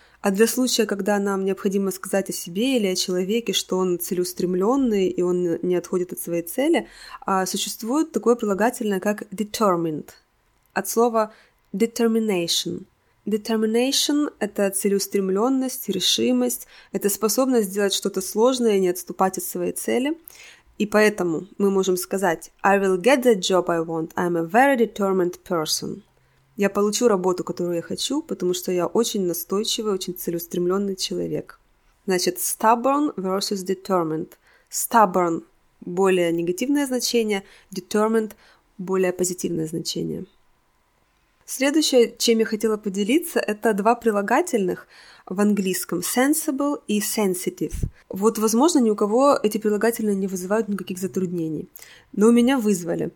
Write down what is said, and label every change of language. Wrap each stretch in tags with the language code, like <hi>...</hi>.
<ru>А для случая, когда нам необходимо сказать о себе или о человеке, что он целеустремленный и он не отходит от своей цели, существует такое прилагательное, как determined, от слова determination. Determination — это целеустремленность, решимость, это способность сделать что-то сложное и не отступать от своей цели. И поэтому мы можем сказать</ru> <en>«I will get the job I want. I'm a very determined person».</en> <ru>Я получу работу, которую я хочу, потому что я очень настойчивый, очень целеустремленный человек. Значит, stubborn versus determined. Stubborn – более негативное значение, determined – более позитивное значение. Следующее, чем я хотела поделиться, это два прилагательных в английском – sensible и sensitive. Вот, возможно, ни у кого эти прилагательные не вызывают никаких затруднений, но у меня вызвали.</ru>